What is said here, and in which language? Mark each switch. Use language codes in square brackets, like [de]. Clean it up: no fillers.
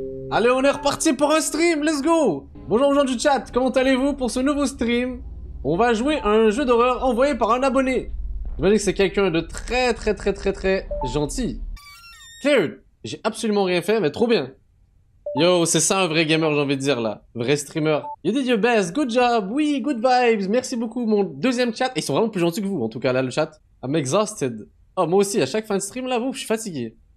[fr] Allez, on est reparti pour un stream! [en] Let's go! [fr] Bonjour aux gens du chat, comment allez-vous pour ce nouveau stream? On va jouer un jeu d'horreur envoyé par un abonné. J'imagine que c'est quelqu'un de très gentil. Cleared, j'ai absolument rien fait, mais trop bien. Yo, c'est ça un vrai gamer, j'ai envie de dire, là. Vrai streamer. [en] You did your best, good job, oui, good vibes. [fr] Merci beaucoup, mon deuxième chat. Ils sont vraiment plus gentils que vous, en tout cas, là, le chat. [en] I'm exhausted. [fr] Oh, moi aussi, à chaque fin de stream, là, vous, je suis fatigué.